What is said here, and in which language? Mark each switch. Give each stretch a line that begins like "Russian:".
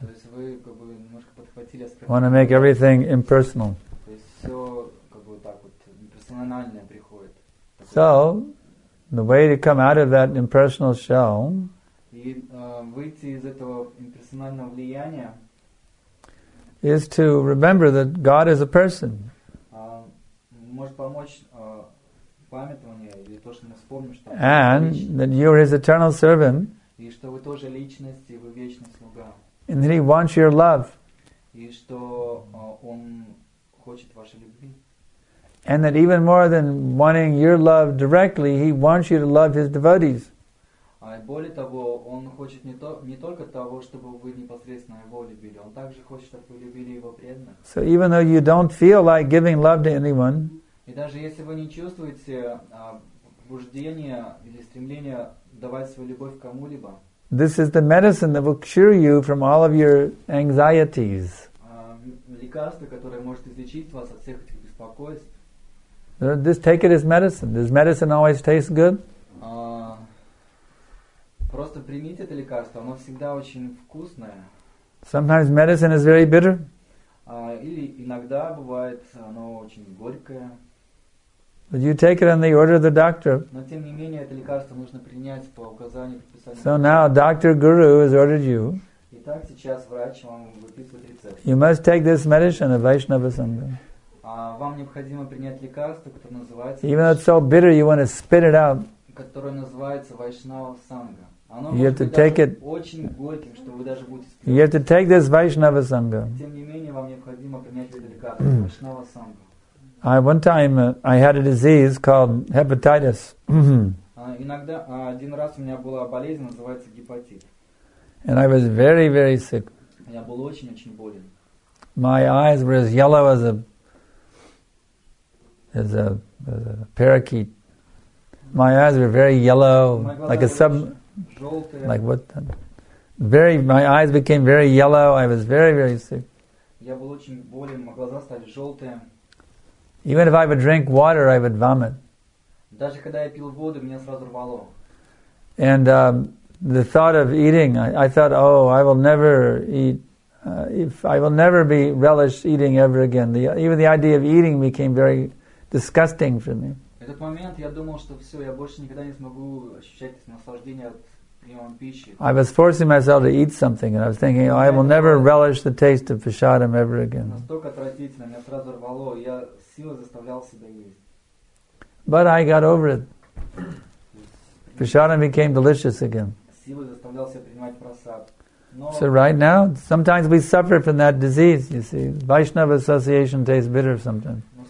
Russian: То есть вы как бы немножко подхватили аспект.
English: Want to make everything impersonal.
Russian: То есть все как бы так вот имперсональное приходит.
English: So, the way to come out of that impersonal shell.
Russian: И выйти из этого имперсонального влияния.
English: Is to remember that God is a person.
Russian: Может помочь памятование или то, что мы вспомним, что
English: and that you're his eternal servant.
Russian: И что вы тоже личность, и вы вечный слуга.
English: And that he wants your love.
Russian: И что он хочет вашей любви.
English: And that even more than wanting your love directly, he wants you to love his devotees.
Russian: А более того, он хочет не только того, чтобы вы непосредственно его любили, он также хочет, чтобы вы любили его преданных.
English: So even though you don't feel like giving love to anyone.
Russian: И даже если вы не чувствуете побуждения или стремления давать свою любовь кому-либо.
English: This is the medicine that will cure you from all of your anxieties.
Russian: Лекарство, которое может излечить вас от всех этих беспокойств.
English: Just take it as medicine. Does medicine always taste good?
Russian: Просто примите это лекарство, оно всегда очень вкусное.
English: Sometimes medicine is very bitter.
Russian: Или иногда бывает оно очень горькое.
English: But you take it on the order of the doctor.
Russian: Но тем не менее это лекарство нужно принять по указанию прописанию.
English: So now Dr. Guru has ordered you.
Russian: Итак, сейчас врач вам выписывает рецепт.
English: You must take this medicine of Vaishnava Sangha.
Russian: Вам необходимо принять лекарство, которое называется.
English: Even though it's so bitter, you want to spit it out.
Russian: Которое называется Вайшнава Санга. Оно
English: you have to take it.
Russian: Очень горьким, что вы даже будете спирать.
English: You have to take this Vaishnava Sangha.
Russian: Тем не менее вам необходимо принять это лекарство Вайшнава Санга.
English: One time I had a disease called hepatitis.
Russian: Иногда один раз у меня была болезнь, называется гепатит.
English: And I was very, very sick.
Russian: Я был очень-очень болен.
English: My eyes were as yellow as a parakeet. My eyes were very yellow, like a sub,
Russian: желтые.
English: Like what? My eyes became very yellow. I was very, very sick.
Russian: Я был очень болен, мои глаза стали желтые.
English: Even if I would drink water, I would vomit.
Russian: Даже когда я пил воду, меня сразу рвало.
English: And the thought of eating, I thought, oh, I will never eat. I will never be relished eating ever again. Even the idea of eating became very disgusting for me.
Russian: В этот момент я думал, что все, я больше никогда не смогу ощущать наслаждение от приема пищи.
English: I was forcing myself to eat something, and I was thinking, oh, I will never relish the taste of prasadam ever again.
Russian: Настолько отвратительно, меня сразу рвало, я силой заставлял себя есть.
English: But I got over it. Prasadam became delicious again.
Russian: Силой заставлял себя принимать прасад.
English: So right now, sometimes we suffer from that disease, you see. Vaishnava association tastes bitter sometimes.